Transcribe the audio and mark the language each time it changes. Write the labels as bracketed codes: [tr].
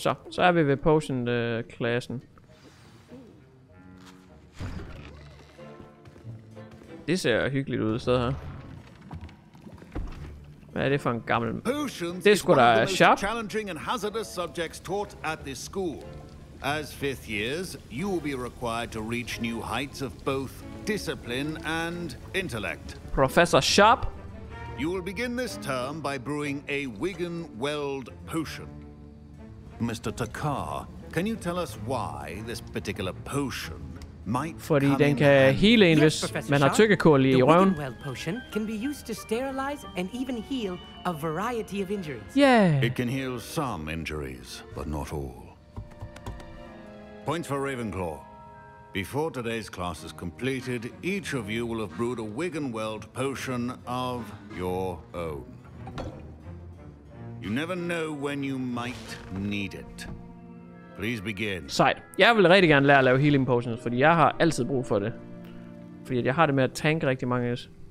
[da] Så er vi ved potion klassen. Det ser hyggeligt ud i stedet her. Hvad er det for en gammel... Det er sgu da sharp. [en] Challenging and hazardous subjects taught at this school. As fifth years, you will be required to reach new heights of both discipline and intellect. Professor Sharp. You will begin this term by brewing a Wigan Weld potion. Mr. Takar, can you tell us why this particular potion might [da] fordi den kan hele en, hvis man har tykkekål i røven. [en] The Wigan Weld potion can be used to sterilize and even heal a variety of injuries. Yeah. It can heal some injuries, but not all. Points for Ravenclaw. Before today's class is completed, each of you will have brewed a Wigan Weld potion of your own. You never know when you might need it. Please begin. [da] Sejt. Jeg vil rigtig gerne lære at lave healing potions, fordi jeg har altid brug for det. Fordi jeg har det med at tanke rigtig mange af os.